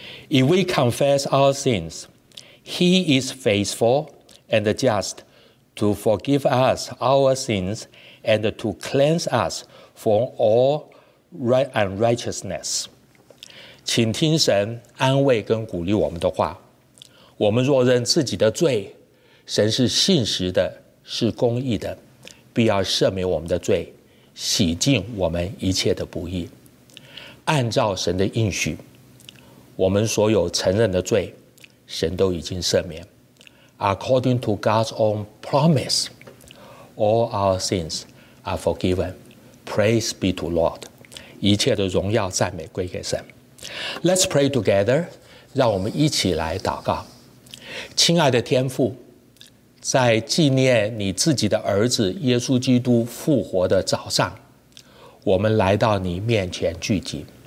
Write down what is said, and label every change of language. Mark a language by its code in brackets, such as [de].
[en] If we confess our sins, He is faithful and just to forgive us our sins and to cleanse us from all unrighteousness. [zh] 请听神安慰跟鼓励我们的话。我们若认自己的罪，神是信实的，是公义的，必要赦免我们的罪，洗净我们一切的不义。按照神的应许，我们所有承认的罪，神都已经赦免。 [en] According to God's own promise, all our sins are forgiven. Praise be to Lord. [zh] 一切的荣耀赞美归给神。 [en] Let's pray together. [zh] 让我们一起来祷告。亲爱的天父，在纪念你自己的儿子耶稣基督复活的早上，我们来到你面前聚集。